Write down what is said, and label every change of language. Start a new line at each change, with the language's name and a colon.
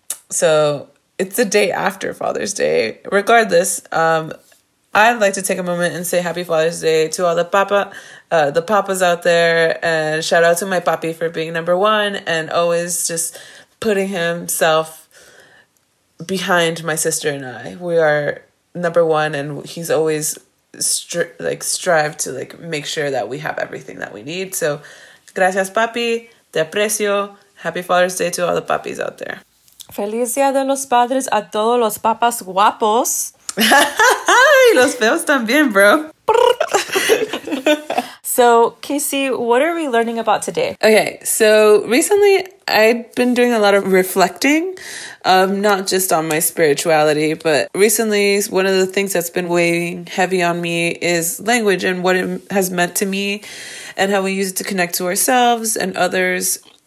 English: So it's the day after Father's Day. Regardless, I'd like to take a moment and say Happy Father's Day to all the papas out there, and shout out to my papi for being number one and always just putting himself behind my sister and I. We are number one, and he's always strived to like make sure that we have everything that we need. So,
Spanish: gracias papi, te aprecio.
English: Happy Father's Day to all the papis out there.
Spanish: Feliz Día de los Padres a todos los papas guapos. Y los feos también, bro.
English: So, Casey, what are we learning about today? Okay, so recently I've been doing a lot of reflecting, not just on my spirituality, but recently one of the things that's been weighing heavy on me is language and what it has meant to me and how we use it to connect to ourselves and others.